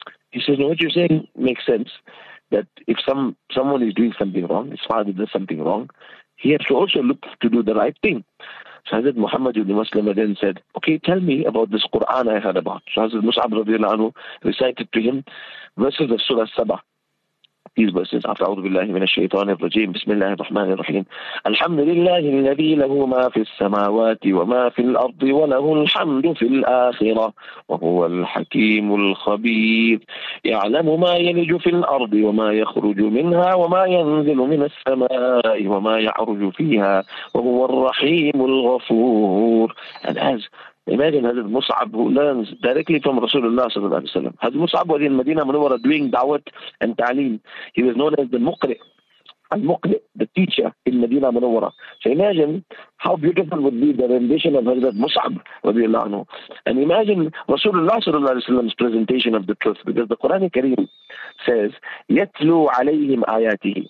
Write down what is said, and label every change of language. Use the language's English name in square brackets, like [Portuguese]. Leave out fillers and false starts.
[English] He says, no, what you're saying makes sense, that if someone is doing something wrong, his father does something wrong, he has to also look to do the right thing. So Hazrat Muhammad ibn Maslama then said, okay, tell me about this Quran I heard about. So Hazrat Mus'ab radiallahu anhu recited to him verses of Surah Sabah. These verses, after [Arabic] أعوذ بالله من الشيطان الرجيم بسم الله الرحمن الرحيم الحمد لله الذي له ما في السماوات وما في الأرض وله الحمد في الآخرة وهو الحكيم الخبير يعلم ما يلج في الأرض وما يخرج منها وما ينزل من السماء وما يعرج فيها وهو الرحيم الغفور. [English] And as imagine Hazrat Mus'ab, who learns directly from Rasulullah sallallahu alaihi wasallam. Hazrat Mus'ab was in Medina Munawwara doing da'wat and ta'aleem. He was known as the Muqri, al-Muqri, the teacher in Medina Munawwara. So imagine how beautiful would be the rendition of Hazrat Mus'ab radiallahu anhu. And imagine Rasulullah sallallahu alaihi wasallam's presentation of the truth, because the Quran Kareem says, [Arabic] "Yatlu alayhim ayatihi."